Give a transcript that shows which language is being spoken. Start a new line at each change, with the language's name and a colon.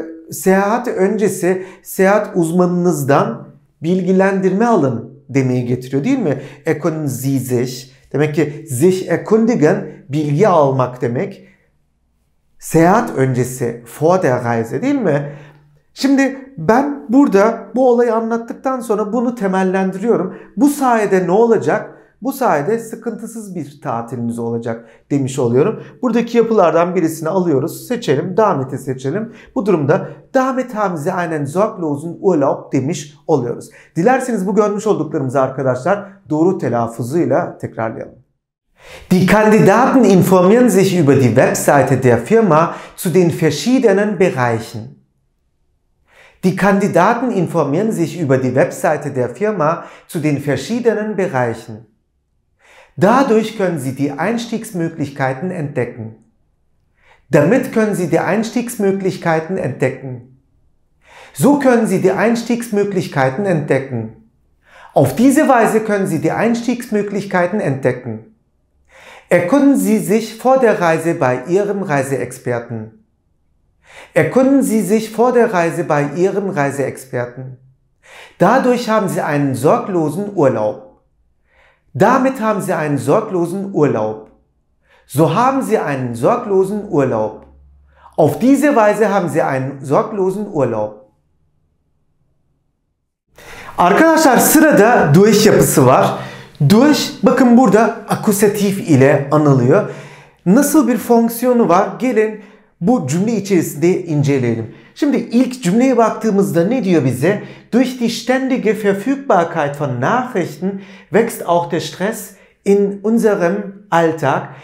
Turkish: Seyahat öncesi seyahat uzmanınızdan bilgilendirme alın demeyi getiriyor, değil mi?
German: Können Sie sich,
Turkish: demek ki
German: sich erkundigen
Turkish: bilgi almak demek. Seyahat öncesi
German: vor der Reise,
Turkish: değil mi? Şimdi ben burada bu olayı anlattıktan sonra bunu temellendiriyorum. Bu sayede ne olacak? Bu sayede sıkıntısız bir tatiliniz olacak demiş oluyorum. Buradaki yapılardan birisini alıyoruz. Seçelim. Damit'i seçelim. Bu durumda
German: Damit haben Sie einen sorglosen Urlaub
Turkish: demiş oluyoruz. Dilerseniz bu görmüş olduklarımızı arkadaşlar doğru telaffuzuyla tekrarlayalım.
German: Die Kandidaten informieren sich über die Webseite der Firma zu den verschiedenen Bereichen. Die Kandidaten informieren sich über die Webseite der Firma zu den verschiedenen Bereichen. Dadurch können sie die Einstiegsmöglichkeiten entdecken. Damit können sie die Einstiegsmöglichkeiten entdecken. So können sie die Einstiegsmöglichkeiten entdecken. Auf diese Weise können sie die Einstiegsmöglichkeiten entdecken. Erkunden Sie sich vor der Reise bei Ihrem Reiseexperten. Erkunden Sie sich vor der Reise bei Ihrem Reiseexperten. Dadurch haben Sie einen sorglosen Urlaub. Damit haben Sie einen sorglosen Urlaub. So haben Sie einen sorglosen Urlaub. Auf diese Weise haben Sie einen sorglosen Urlaub.
Turkish: Arkadaşlar sırada durch yapısı var. Durch, bakın burada akusatif ile anılıyor. Nasıl bir fonksiyonu var? Gelin bu cümle içerisinde inceleyelim. Şimdi ilk cümleye baktığımızda ne diyor bize?
German: Durch die ständige Verfügbarkeit von Nachrichten wächst auch der Stress in unserem Alltag.